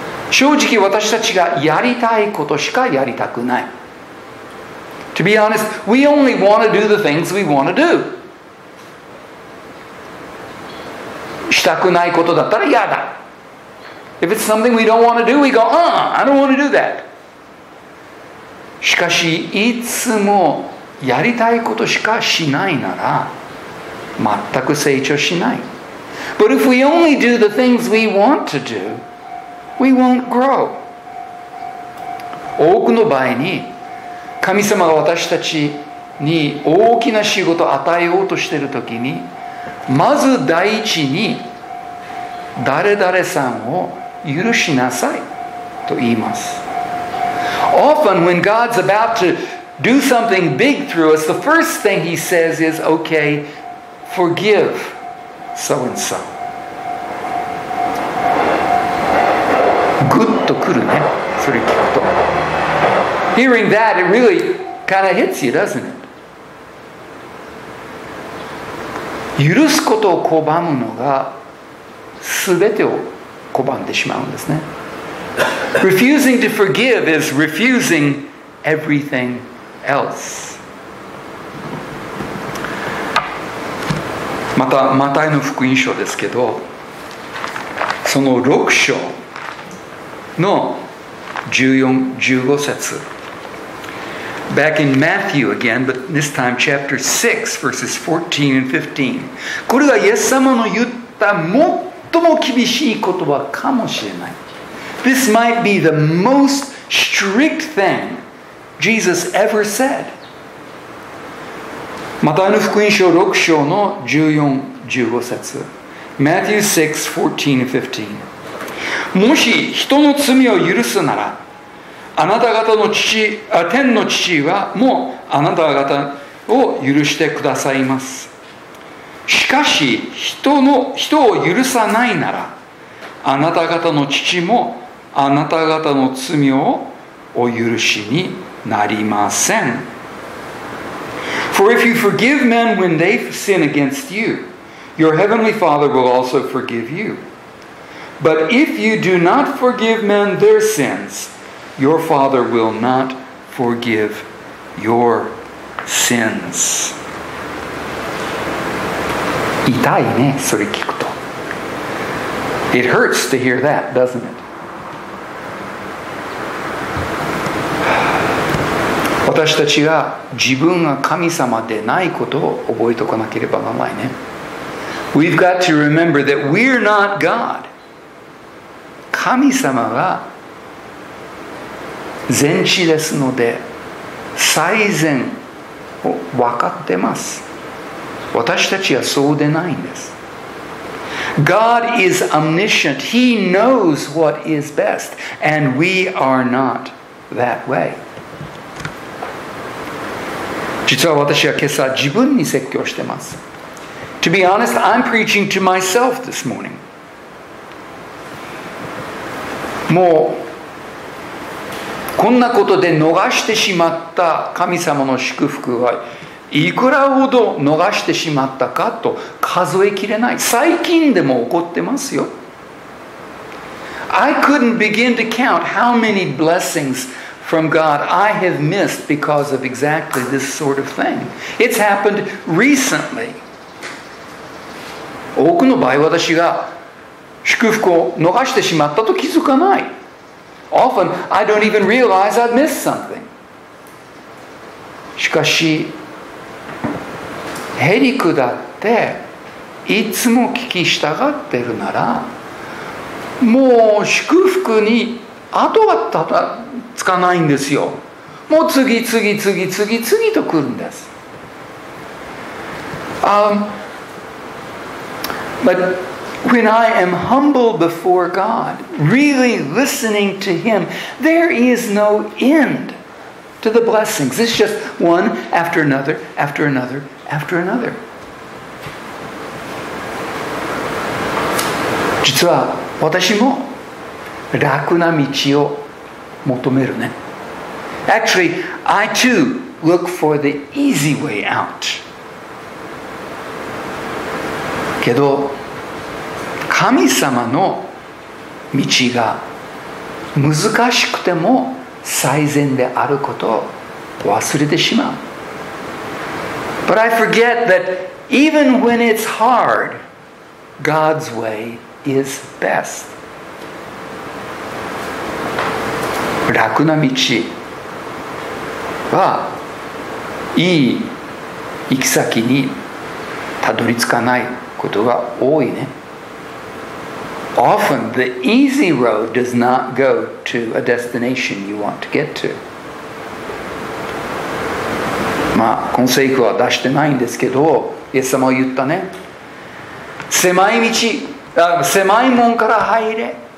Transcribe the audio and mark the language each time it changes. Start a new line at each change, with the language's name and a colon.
Japanese: 正直私たちがやりたいことしかやりたくない。
English: To be honest, we only want to do the things we want to do.
Japanese: したくないことだったら嫌だ。
English: If it's something we don't want to do, we go, I don't want to do that.
Japanese: しかし、いつもやりたいことしかしないなら、全く成長しない。
English: But if we only do the things we want to do, we won't grow.
Japanese: 多くの場合に神様が私たちに大きな仕事を与えようとしているときに、まず第一に誰々さんを許しなさいと言います。
English: Often when God's about to do something big through us, the first thing he says is, okay, forgive so and so.
Japanese: グッとくるね、それ聞くと。
English: Hearing that, it really kind of hits you, doesn't it?
Japanese: 許すことを拒むのが全てを拒んでしまうんですね。
English: Refusing to forgive is refusing everything else.
Japanese: またマタイの福音書ですけど、その6章の14-15節。
English: Back in Matthew again, but this time chapter 6, verses 14 and 15.
Japanese: これがイエス様の言った最も厳しい言葉かもしれない。
English: This might be the most strict thing Jesus ever said.
Japanese: マタイの福音書6章の14、15節。
English: Matthew 6, 14 and 15.
Japanese: もし人の罪を許すなら、あなた方の父、天の父はもうあなた方を許してくださいます。しかし人を許さないなら、あなた方の父もあなた方の罪をお許しになりません。
English: For if you forgive men when they sin against you, your heavenly Father will also forgive you. But if you do not forgive men their sins,Your Father will not forgive your sins.
Japanese: 痛いね、それ聞くと。
English: It hurts to hear that, doesn't it?
Japanese: 私たちが自分が神様でないことを覚えておかなければならないね。
English: We've got to remember that we're not God.
Japanese: 神様が全知ですので、最善を分かってます。私たちはそうでないんです。
English: God is omniscient. He knows what is best. And we are not that way.
Japanese: 実は私は今朝自分に説教してます。
English: To be honest, I'm preaching to myself this morning.
Japanese: もうこんなことで逃してしまった神様の祝福はいくらほど逃してしまったかと数えきれない。最近でも起こってますよ。
English: I couldn't begin to count how many blessings from God I have missed because of exactly this sort of thing. It's happened recently.
Japanese: 多くの場合私が祝福を逃してしまったと気づかない。
English: Often, I don't even realize I've missed something.
Japanese: しかし、ヘリクだっていつも聞き従ってるなら、もう祝福に後はたたつかないんですよ。もう次と来るんです。
English: When I am humble before God, really listening to Him, there is no end to the blessings. It's just one after another, after another, after another.
Japanese: 実は私も楽な道を求めるね。
English: Actually, I too look for the easy way out.
Japanese: けど神様の道が難しくても最善であることを忘れてしまう。
English: But I forget that even when it's hard, God's way is best.
Japanese: 楽な道はいい行き先にたどり着かないことが多いね。
English: often the easy road does not go to a destination you want to get to.
Japanese: まあ、コンセイクは出してないんですけど、イエス様は言ったね。狭い道、狭い門から入れ。